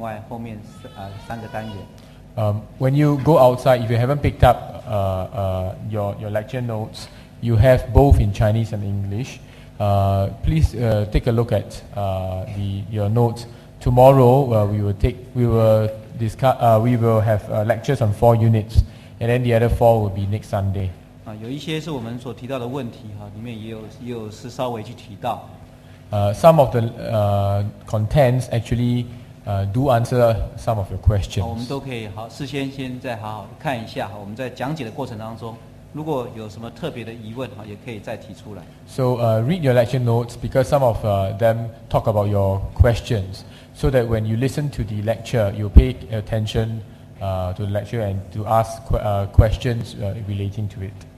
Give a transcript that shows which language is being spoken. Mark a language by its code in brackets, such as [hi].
[en] When you go outside, if you haven't picked up your lecture notes, you have both in Chinese and English. Please take a look at your notes. Tomorrow we will have lectures on four units, and then the other four will be next Sunday. [zh] 有一些是我们所提到的问题哈，里面也有稍微去提到。 [en] Some of the contents actually do answer some of your questions. [zh] 我们都可以好事先在好好看一下，我们在讲解的过程当中。如果有什么特别的疑问，也可以再提出来。 [en] So read your lecture notes, because some of them talk about your questions, so that when you listen to the lecture, you'll pay attention to the lecture and to ask questions relating to it.